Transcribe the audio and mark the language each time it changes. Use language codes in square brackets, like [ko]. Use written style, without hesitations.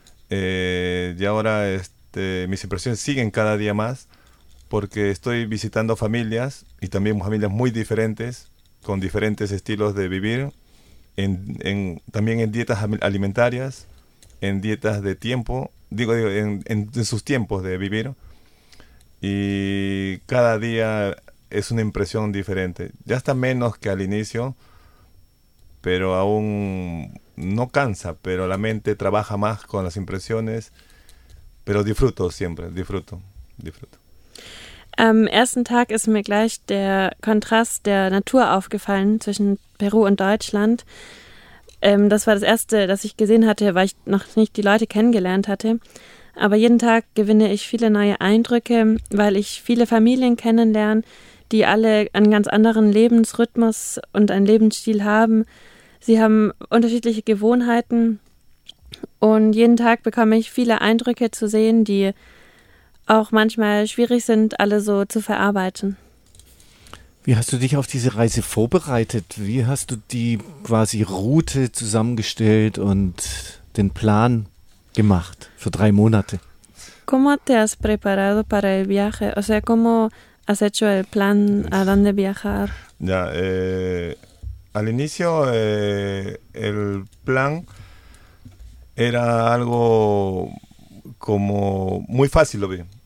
[es] Y ahora mis impresiones siguen cada día más, porque estoy visitando familias, y también familias muy diferentes, con diferentes estilos de vivir, también en dietas alimentarias, en dietas de tiempo, en sus tiempos de vivir. Y cada día es una impresión diferente. Ya está menos que al inicio, pero aún no cansa, pero la mente trabaja más con las impresiones. Pero disfruto siempre, disfruto, disfruto. [de] Am ersten Tag ist mir gleich der Kontrast der Natur aufgefallen zwischen Peru und Deutschland. Das war das Erste, das ich gesehen hatte, weil ich noch nicht die Leute kennengelernt hatte. Aber jeden Tag gewinne ich viele neue Eindrücke, weil ich viele Familien kennenlerne, die alle einen ganz anderen Lebensrhythmus und einen Lebensstil haben. Sie haben unterschiedliche Gewohnheiten und jeden Tag bekomme ich viele Eindrücke zu sehen, die auch manchmal schwierig sind, alle so zu verarbeiten. Wie hast du dich auf diese Reise vorbereitet? Wie hast du die quasi Route zusammengestellt und den Plan gemacht für 3 Monate? [es] ¿Cómo te has preparado para el viaje? O sea, ¿cómo has hecho el plan a dónde viajar? Ya, al inicio el plan era algo como muy fácil, lo vi.